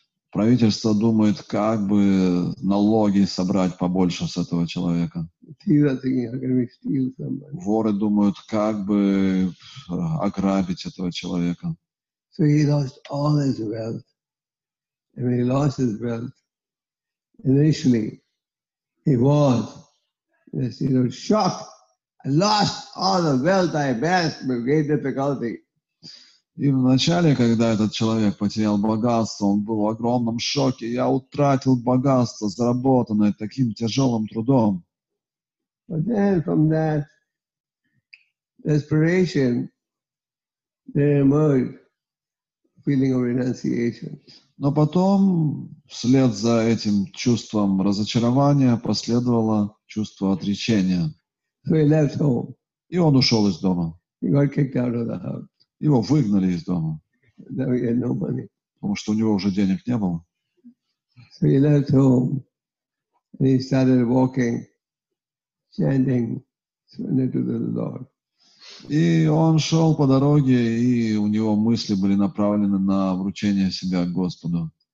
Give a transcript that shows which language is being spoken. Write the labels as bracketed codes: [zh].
[ru] Правительство думает, как бы налоги собрать побольше с этого человека. Воры думают, как бы ограбить этого человека. [en] So he lost all his wealth. And when he lost his wealth, initially, he was shocked. I lost all the wealth I amassed with great difficulty. [ru] И вначале, когда этот человек потерял богатство, он был в огромном шоке. Я утратил богатство, заработанное таким тяжелым трудом. [en] But then from that desperation, there emerged a feeling of renunciation. [ru] Но потом, вслед за этим чувством разочарования, последовало чувство отречения. [en] So he left home. [ru] И он ушел из дома. [en] He got kicked out of the house. [ru] Его выгнали из дома, [en] no money. [ru] Потому что у него уже денег не было. [en] So he left home and he started walking, chanting, surrender to the Lord. [ru] И он шел по дороге, и у него мысли были направлены на вручение себя Господу.